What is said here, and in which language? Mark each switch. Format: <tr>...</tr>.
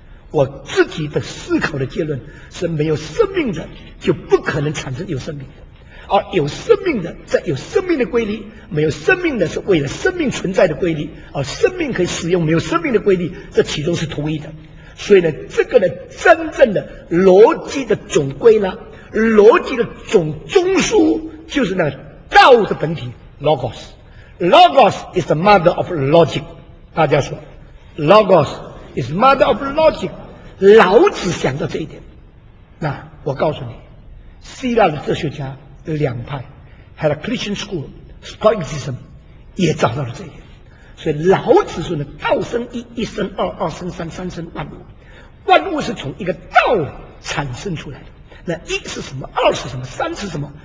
<zh>我自己的思考的结论是，没有生命的就不可能产生有生命的，而有生命的在有生命的规律，没有生命的是为了生命存在的规律，而生命可以使用没有生命的规律，这其中是同一的。所以呢，这个呢，真正的逻辑的总归呢，逻辑的总中枢就是那个道的本体 ，logos。</zh> <en>logos is the mother of logic。</en> <zh>大家说</zh> <en>，logos is mother of logic。</en> <zh>老子想到这一点，那我告诉你，希腊的哲学家两派 ，Heraclitian school Stoicism 也找到了这一点。所以老子说呢，道生一，一生二，二生三，三生万物。万物是从一个道产生出来的。那一是什么？二是什么？三是什么？</zh>